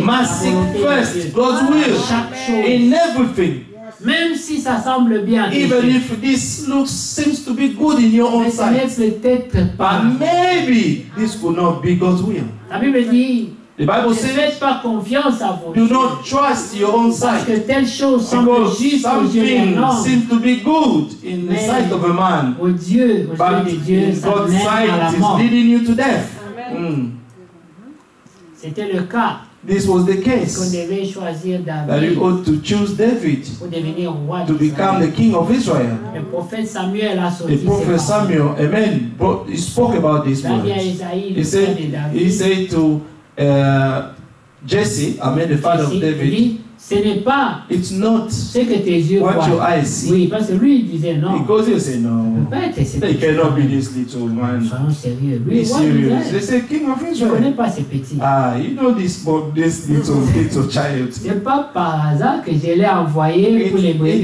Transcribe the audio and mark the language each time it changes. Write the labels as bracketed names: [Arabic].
[English] Must seek first God's will. [French] Chaque chose. [English] In everything. [French] Même si ça semble bien. [English] Even if this looks seems to be good in your own sight. [French] Mais ce n'est peut-être pas. [English] But maybe this could not be God's will. [French] La Bible dit. [English] The Bible says, [French] ne faites pas confiance à vos yeux. [English] Do not trust your own sight. [French] Parce que telle chose semble juste aux yeux d'un homme. [English] Seem to be good in the sight of a man. [French] Au Dieu, au [English] but [French] Dieu, [English] in God's sight, [French] à la mort. [English] It's leading you to death. Amen. Mm. [French] C'était le cas. [English] This was the case. [French] Qu'on devait choisir David. [English] That you ought to choose David. [French] Pour devenir roi. [English] To become the king of Israel. [French] Le prophète Samuel a sorti. [English] The prophet Samuel, amen. But he spoke about this word. He said to Jesse, I mean the father Jesse, of David. [French] Dit, ce n'est pas [English] it's not [French] ce que tes yeux [English] what [French] voient. [English] Your eyes see. [French] Oui, parce que lui il disait non. [English] Because he said no. [French] Bête, [English] he cannot be this little man. [French] Soyons sérieux. [English] Be serious. They say king of Israel. [French] Je connais pas ces petits. [English] Ah, you know this boy, this little child. [French] C'est pas par hasard que je l'ai envoyé pour les brebis.